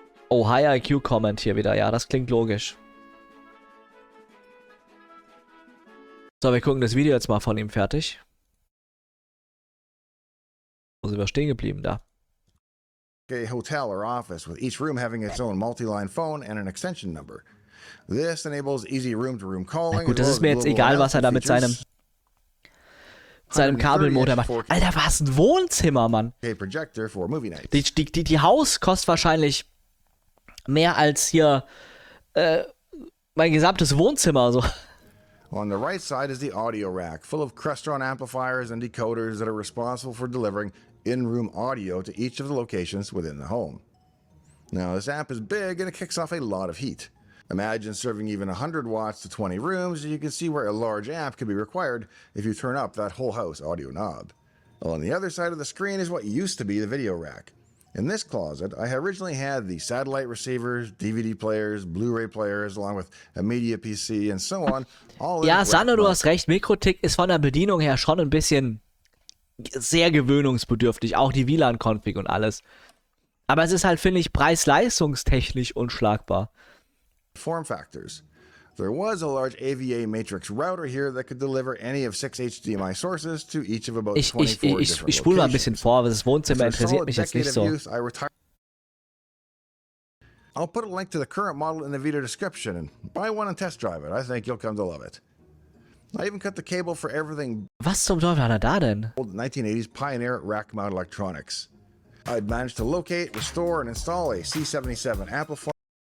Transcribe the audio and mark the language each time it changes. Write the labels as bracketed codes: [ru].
[de] Oh, High IQ Comment hier wieder. Ja, das klingt logisch. So, wir gucken das Video jetzt mal von ihm fertig. Wo sind wir stehen geblieben da? [en] Okay, hotel or office with each room having its own multi-line phone and an extension number. This enables easy room-to-room calling. [de] Na gut, das ist mir jetzt egal, was er da mit seinem Kabelmodem macht. Alter, was ein Wohnzimmer, Mann. Okay, projector for movie night. Die Haus kostet wahrscheinlich mehr als hier mein gesamtes Wohnzimmer so. [en] On the right side is the audio rack, full of Crestron amplifiers and decoders that are responsible for delivering in-room audio to each of the locations within the home. Now, this amp is big and it kicks off a lot of heat. Imagine serving even 100 watts to 20 rooms, and you can see where a large amp could be required if you turn up that whole house audio knob. On the other side of the screen is what used to be the video rack. In this closet, I originally had the satellite receivers, DVD players, Blu-ray players, along with a media PC and so on. [de] All ja, Sanno, du hast recht. Mikrotik ist von der Bedienung her schon ein bisschen sehr gewöhnungsbedürftig. Auch die WLAN-Config und alles. Aber es ist halt, finde ich, preis-leistungstechnisch unschlagbar. [en] Form factors. There was a large AVA matrix router here that could deliver any of 6 HDMI sources to each of about 24 different locations. [de] Ich spule mal ein bisschen vor, weil das Wohnzimmer interessiert mich jetzt nicht so. [en] I'll put a link to the current model in the video description and buy one and test drive it. I think you'll come to love it. I even cut the cable for everything. Was zum Teufel hat er da denn? Old 1980s Pioneer rack mount electronics. I'd managed to locate, restore and install a C77 amplifier.